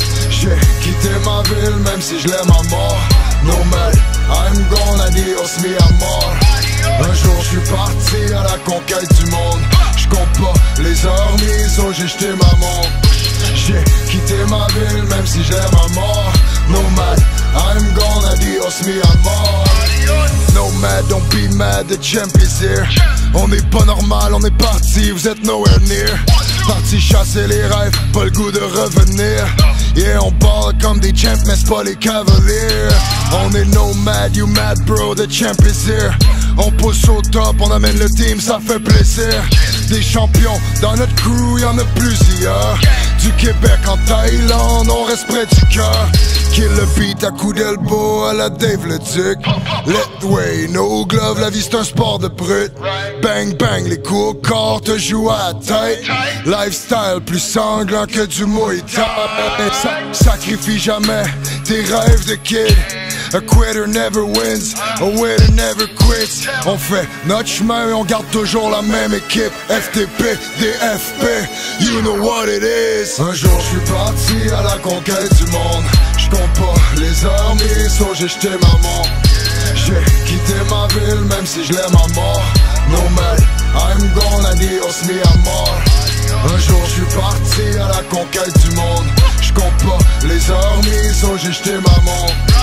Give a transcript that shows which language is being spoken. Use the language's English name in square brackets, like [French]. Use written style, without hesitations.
[French] J'ai quitté ma ville même si je l'aime à mort. [English] No man, I'm gone, [Spanish] adios mi amor. [French] Un jour je suis parti à la conquête du monde. Je compte pas les heures mises, oh j'ai jeté ma montre. J'ai quitté ma ville même si je l'aime à mort. [English] No man, I'm gone, [Spanish] adios mi amor. [English] Nomad, don't be mad, the champ is here. [French] On est pas normal, on est parti, vous êtes [English] nowhere near. [French] Parti chasser les rêves, pas le goût de revenir. Yeah, on parle comme des champs, mais c'est pas les cavaliers. On est [English] nomad, you mad bro, the champ is here. [French] On pousse au top, on amène le team, ça fait plaisir. Des champions dans notre crew, y'en a plusieurs. Du Québec en Thaïlande, on reste près du cœur. Kill le beat à coup d'elbow à la Dave Leduc. Lethwei, [English] no glove, [French] la vie c'est un sport de brut. Bang bang, les coups au corps te jouent à tête. Lifestyle plus sanglant que du Muay Thai. Sacrifie jamais tes rêves de kid. [English] A quitter never wins, a winner never quits. [French] On fait notre chemin et on garde toujours la même équipe. [English] FTP, DFP, you know what it is. [French] Un jour je suis parti à la conquête du monde. Je compte pas les heures mises, oh j'ai jeté ma montre. J'ai quitté ma ville même si je l'aime à mort. [English] No man, I'm gone, [Spanish] adios mi amor. [French] Un jour je suis parti à la conquête du monde. Je compte pas les heures mises, oh j'ai jeté ma montre.